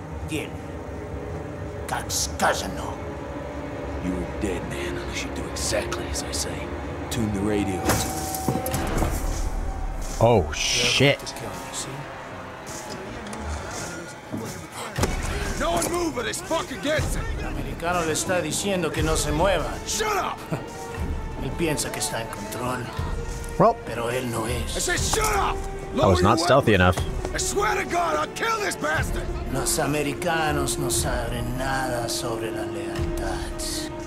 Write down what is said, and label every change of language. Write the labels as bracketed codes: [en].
[ru] Дед. Как сказано. [en] You are dead, man, unless you do exactly as I say. Tune the radio. Oh, shit. No one move or this fucker gets it. [es] El americano le está diciendo que no se mueva. [en] Shut up! [es] Él piensa que está en control. [en] Well, [es] pero él no es. [en] I said, shut up! I was not stealthy enough. I swear to God, I'll kill this bastard! [es] Los americanos no saben nada sobre la lealtad.